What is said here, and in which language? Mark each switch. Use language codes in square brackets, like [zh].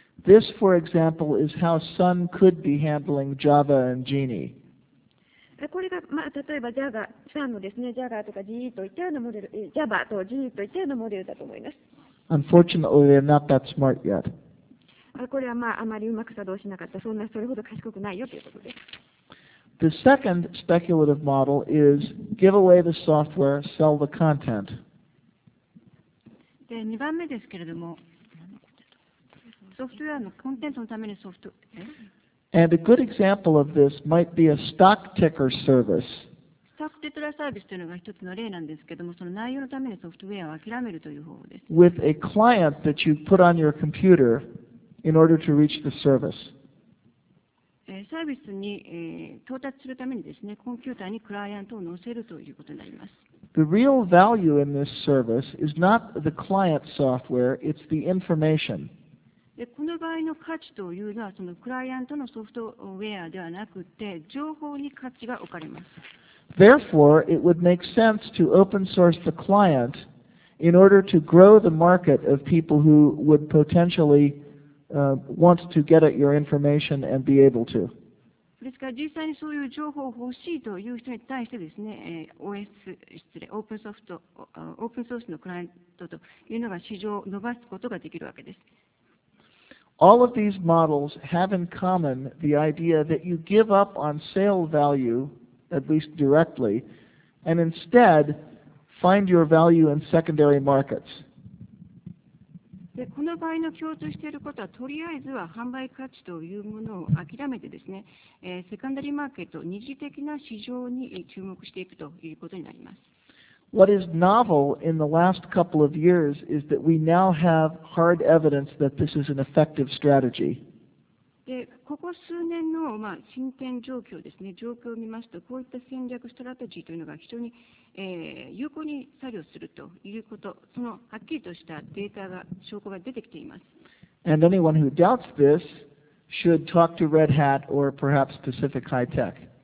[en] This, for example, is how Sun could be handling Java and Genie. [ja] これが、まあ、例えば Java、Sun のですね、Java とか GE といったようなモデル、Java と GE といったようなモデルだと思います。 [en] Unfortunately, they're not that smart yet. [ja] これは、まあ、あまりうまく作動しなかった、そんなそれほど賢くないよということです。 [en] The second speculative model is give away the software, sell the content. [ja] で、2番目ですけれども、ソフトウェアのコンテンツのためにソフト。 [en] And a good example of this might be a stock ticker service. [ja] スタックティトラサービスというのが一つの例なんですけども、その内容のためにソフトウェアを諦めるという方法です。 [en] With a client that you put on your computer in order to reach the service. [ja] サービスに到達するためにですね、コンピューターにクライアントを載せるということになります。 [en] The real value in this service is not the client software, it's the information. [ja] でこの場合の価値というのは、そのクライアントのソフトウェアではなくて、情報に価値が置かれます。 [en] Therefore, it would make sense to open source the client in order to grow the market of people who would potentially want to get at your information and be able to. [ja] ですから、実際にそういう情報を欲しいという人に対してですね、OS、失礼、オープンソフト、オープンソースのクライアントというのが市場を伸ばすことができるわけです。 [en] All of these models have in common the idea that you give up on sale value, at least directly, and instead find your value in secondary markets. [ja] で、この場合の共通していることは、とりあえずは販売価値というものを諦めてですね、セカンダリーマーケット、二次的な市場に注目していくということになります。 [en] What is novel in the last couple of years is that we now have hard evidence that this is an effective strategy. [ja] で、ここ数年の、まあ、進展状況ですね、状況を見ますと、こういった戦略、ストラテジーというのが非常に、有効に作用するということ、そのはっきりとしたデータが、証拠が出てきています。 [en] And anyone who doubts this should talk to Red Hat or perhaps Pacific High Tech.